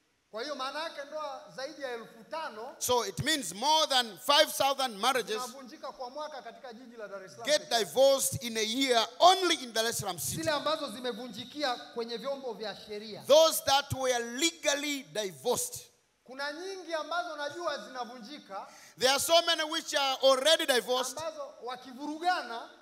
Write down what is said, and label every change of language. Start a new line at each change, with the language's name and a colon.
Swahili: Kwa hiyo maana yake ndoa zaidi ya 5000.
English: So it means more than 5000 marriages
Swahili: zinavunjika kwa mwaka katika jiji la Dar es Salaam.
English: Get divorced in a year only in Dar es Salaam city.
Swahili: Zile ambazo zimevunjikia kwenye vyombo vya sheria.
English: Those that were legally divorced.
Swahili: Kuna nyingi ambazo najua zinavunjika.
English: There are so many which are already divorced.
Swahili: Ambazo wakivurugana,